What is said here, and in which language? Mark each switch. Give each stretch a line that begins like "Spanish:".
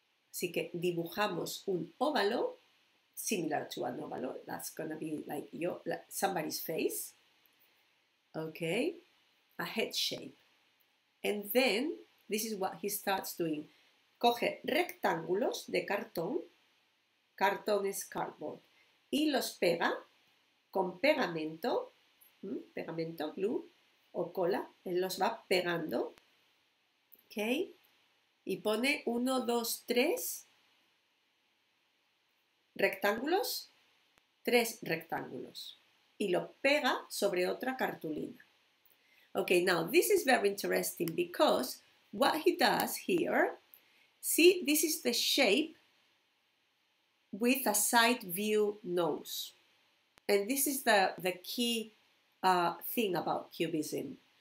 Spanish: Así que dibujamos un óvalo,
English: similar to an óvalo, that's going to be like somebody's face. Okay, a head shape. And then, this is what he starts doing.
Spanish: Coge rectángulos de cartón, cartón es cardboard, y los pega con pegamento. Pegamento, glue o cola, él los va pegando, ok, y pone 1, 2, 3 rectángulos, 3 rectángulos, y lo pega sobre otra cartulina.
English: Ok, now this is very interesting because what he does here, see, this is the shape with a side view nose, and this is the key thing about cubism.